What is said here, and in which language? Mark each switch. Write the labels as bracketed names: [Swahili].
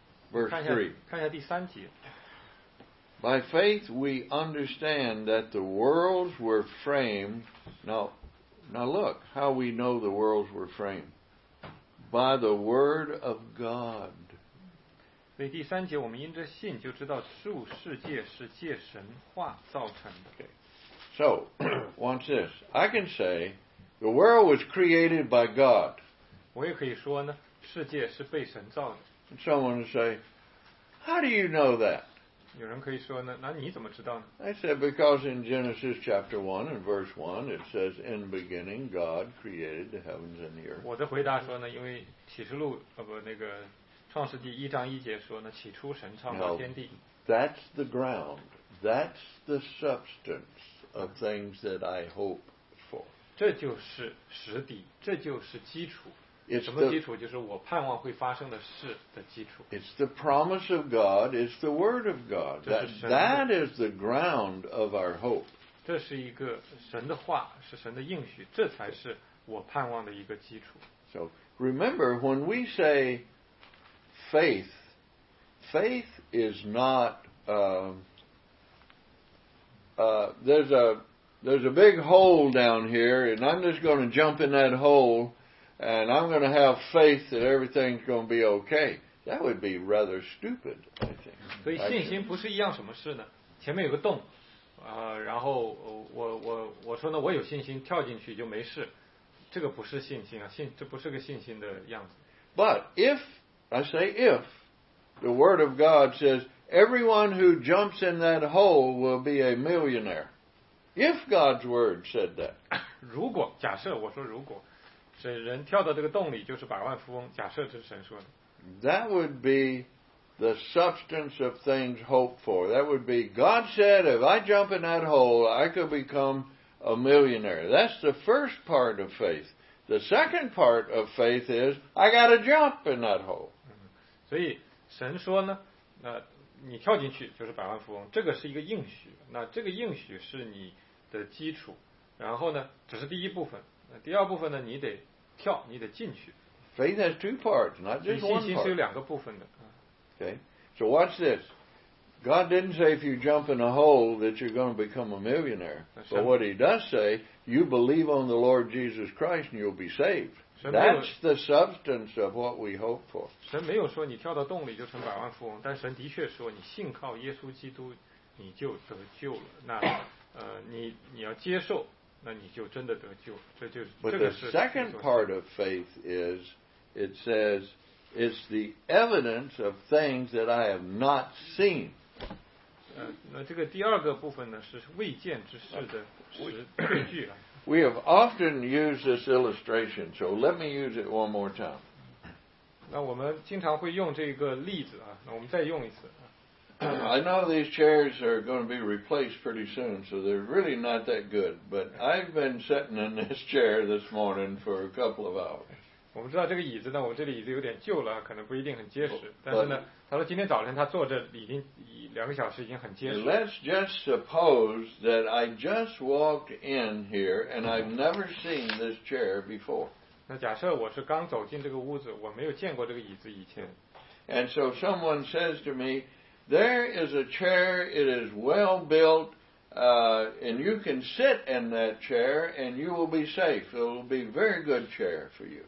[English] By faith we understand that the worlds were framed. Now look how we know the worlds were framed. By the word of God. [Chinese] 所以第三节我们因着信就知道数世界是借神话造成的。 [English] Okay. So, watch this. I can say the world was created by God. [Chinese] 我也可以说呢。世界是被神造的。 [English] And someone would say, how do you know that? [Chinese] 有人可以说呢，那你怎么知道呢？ [English] I said, because in Genesis chapter 1 and verse 1, it says, in the beginning, God created the heavens and the earth. [Chinese] 我的回答说呢，因为启示录，创世纪一章一节说呢，起初神创造天地。 [English] Now, that's the ground. That's the substance of things that I hope for. [Chinese] 这就是实底，这就是基础。 [English] It's the promise of God. It's the word of God. That is the ground of our hope. [Chinese] 这是一个神的话，是神的应许，这才是我盼望的一个基础。 [English] So remember, when we say faith, faith is not there's a big hole down here, and I'm just going to jump in that hole. And I'm going to have faith that everything's going to be okay. That would be rather stupid, I think. [Chinese] 所以信心不是一样什么事呢？前面有个洞，然后我说呢，我有信心跳进去就没事。这个不是信心啊，这不是个信心的样子。 [English] But if I say if the word of God says everyone who jumps in that hole will be a millionaire. If God's word said that. [Chinese] 如果假设我说如果是人跳到这个洞里就是百万富翁假设这是神说的。 [English] That would be the substance of things hoped for. That would be God said if I jump in that hole I could become a millionaire. That's the first part of faith. The second part of faith is I got to jump in that hole. [Chinese] 所以神说呢那你跳进去就是百万富翁这个是一个应许那这个应许是你的基础然后呢只是第一部分那第二部分呢你得跳你得进去 [English] Faith has two parts not just one part [Chinese] 信心是有两个部分的 [English] Okay so watch this God didn't say if you jump in a hole that you're going to become a millionaire but what he does say you believe on the Lord Jesus Christ and you'll be saved That's the substance of what we hope for. [Chinese] 神没有说你跳到洞里就成百万富翁，但神的确说你信靠耶稣基督，你就得救了。那你要接受，那你就真的得救。这就是。 [English] But the second part of faith is, it says, it's the evidence of things that I have not seen. [Chinese] 那这个第二个部分呢是未见之事的实据啊。 [English] We have often used this illustration, so let me use it one more time. [Chinese] 那我们经常会用这个例子啊，那我们再用一次。 [English] I know these chairs are going to be replaced pretty soon, so they're really not that good. But I've been sitting in this chair this morning for a couple of hours. [Chinese] 我们知道这个椅子呢，我这里椅子有点旧了，可能不一定很结实。但是呢，他说今天早晨他坐着已经两个小时已经很结实了。 [English] Let's just suppose that I just walked in here and I've never seen this chair before. [Chinese] 那假设我是刚走进这个屋子，我没有见过这个椅子以前。 [English] And so someone says to me, "There is a chair. It is well built." And you can sit in that chair and you will be safe. It will be a very good chair for you.